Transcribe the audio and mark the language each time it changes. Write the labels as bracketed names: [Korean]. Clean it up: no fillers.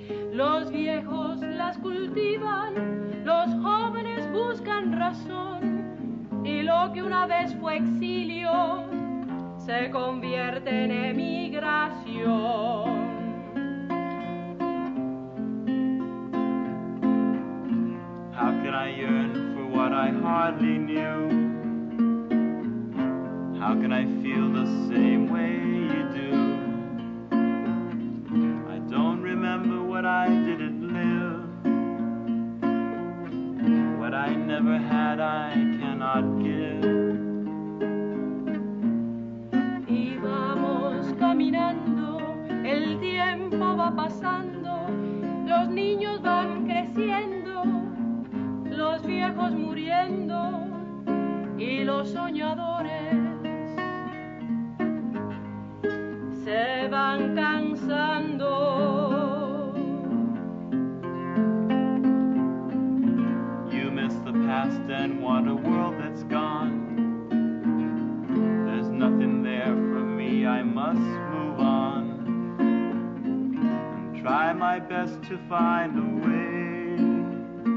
[Spanish] Los viejos las cultivan, los jóvenes buscan razón, y lo que una vez fue exilio, se convierte en emigración. [English] How can I yearn for what I hardly knew? How can I feel the same way you do? I don't remember what I didn't live. What I never had, I cannot give. [Spanish] Y vamos caminando, el tiempo va pasando, los niños van creciendo. Los viejos muriendo y los soñadores se van cansando. [English] You miss the past and want a world that's gone. There's nothing there for me, I must move on and try my best to find a way.